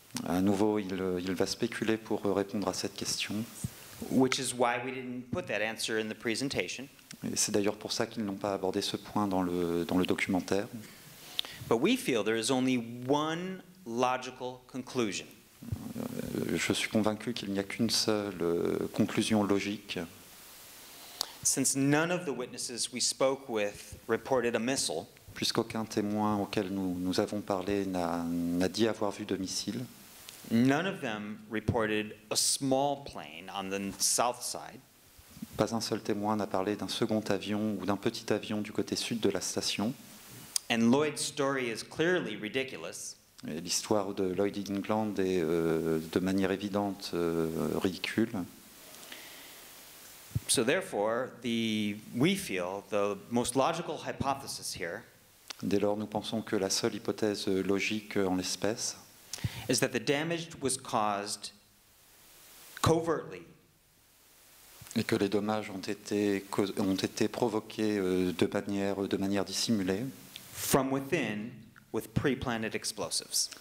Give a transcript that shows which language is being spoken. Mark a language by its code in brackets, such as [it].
[fr] À nouveau, il va spéculer pour répondre à cette question. [en] Which is why we didn't put that answer in the presentation. [fr] Et c'est d'ailleurs pour ça qu'ils n'ont pas abordé ce point dans le documentaire. [en] But we feel there is only one logical conclusion. [fr] Je suis convaincu qu'il n'y a qu'une seule conclusion logique. [en] Since none of the witnesses we spoke with reported a missile. [fr] Puisqu'aucun témoin auquel nous avons parlé n'a dit avoir vu de missile. [en] None of them reported a small plane on the south side. [fr] Pas un seul témoin n'a parlé d'un second avion ou d'un petit avion du côté sud de la station. [en] And Lloyd's story is clearly ridiculous. [fr] Et l'histoire de Lloyd England est de manière évidente ridicule. [en] So therefore, we feel the most logical hypothesis here. [fr] Dès lors, nous pensons que la seule hypothèse logique en l'espèce [en] is that the damage was caused covertly. [fr] Et que les dommages ont été provoqués de manière dissimulée [en] from within with pre-planted explosives.